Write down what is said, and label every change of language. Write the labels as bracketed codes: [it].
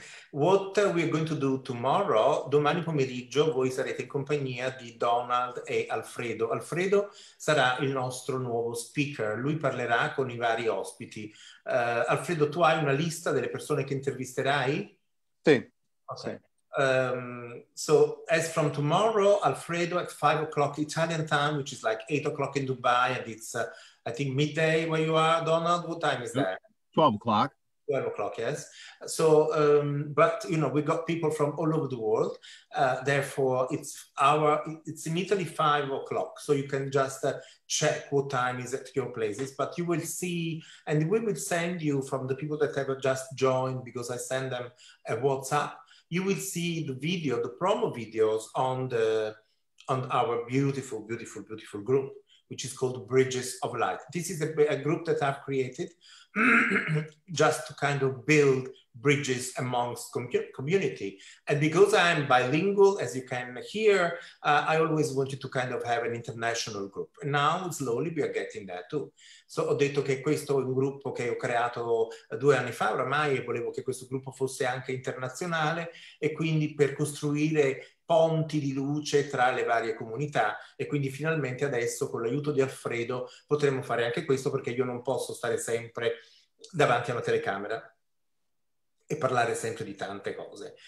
[en] What we're going to do tomorrow, [it] domani pomeriggio, voi sarete in compagnia di Donald e Alfredo. Alfredo sarà il nostro nuovo speaker. Lui parlerà con i vari ospiti. Alfredo, tu hai una lista delle persone che intervisterai? Sì. Ok. Sì. [en] So as from tomorrow, Alfredo at 5 o'clock Italian time, which is like 8 o'clock in Dubai, and it's I think midday where you are, Donald. What time is that? 12 o'clock. 12 o'clock, yes. So but we got people from all over the world. Therefore it's in Italy 5 o'clock. So you can just check what time is at your places, but you will see, and we will send you from the people that have just joined, because I send them a WhatsApp. You will see the video, the promo videos on our beautiful, beautiful, beautiful group, which is called Bridges of Light. This is a group that I've created just to kind of build bridges amongst community. And because I am bilingual, as you can hear, I always wanted to kind of have an international group. And now slowly we are getting there too. [it] So ho detto che questo è un gruppo che ho creato 2 anni fa oramai, e volevo che questo gruppo fosse anche internazionale, e quindi per costruire ponti di luce tra le varie comunità. E quindi finalmente adesso, con l'aiuto di Alfredo, potremo fare anche questo, perché io non posso stare sempre davanti alla telecamera e parlare sempre di tante cose.